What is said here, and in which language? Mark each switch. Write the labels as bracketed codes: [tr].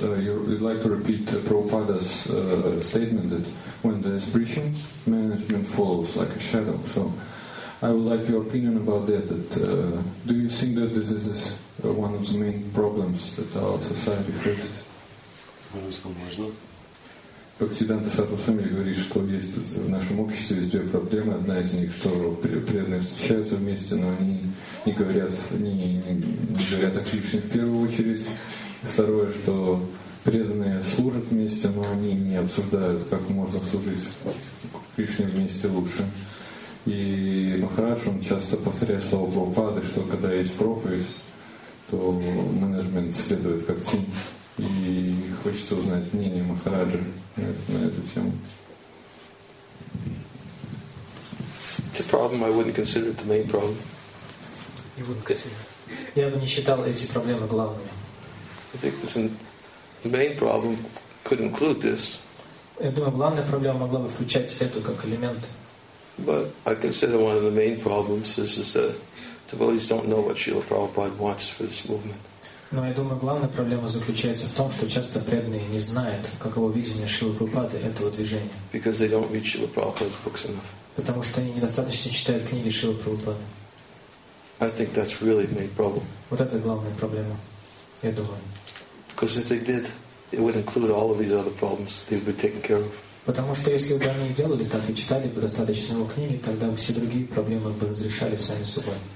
[en] You like to repeat Prabhupada's statement that when there is preaching, management follows like a shadow. So, I would like your opinion about that. That do you think that this is one of the main problems that our society faces? [ru] Как Сиддханта Сатвасвами говорит, что есть в нашем обществе есть две проблемы. Одна из них, что преданные встречаются вместе, но они не говорят, не говорят о Кришне в первую очередь. Второе, что преданные служат вместе, но они не обсуждают, как можно служить Кришне вместе лучше. И Махарадж, он часто повторяет слово Прабхупады, что когда есть проповедь, то менеджмент следует как тень. И хочется узнать мнение Махараджа на эту тему. [en] It's a problem. I wouldn't consider it the main problem. You wouldn't consider. [ru] Я бы не считал эти проблемы главными. [en] I think this main problem could include this. [ru] Я думаю, главная проблема могла бы включать эту как элемент. [en] But I consider one of the main problems is that devotees don't know what Srila Prabhupada wants for this movement. [ru] Но я думаю, главная проблема заключается в том, что часто преданные не знают, каково видение Шрилы Прабхупады этого движения. [en] Because they don't read Srila Prabhupada's books enough. [ru] Потому что они недостаточно читают книги Шрилы Прабхупады. [en] I think that's really the main problem. [ru] Вот это главная проблема, я думаю. [en] Because if they did, it would include all of these other problems. They would be taken care of. [ru] Потому что если бы они делали так и читали бы достаточно много книг, тогда все другие проблемы бы разрешали сами собой.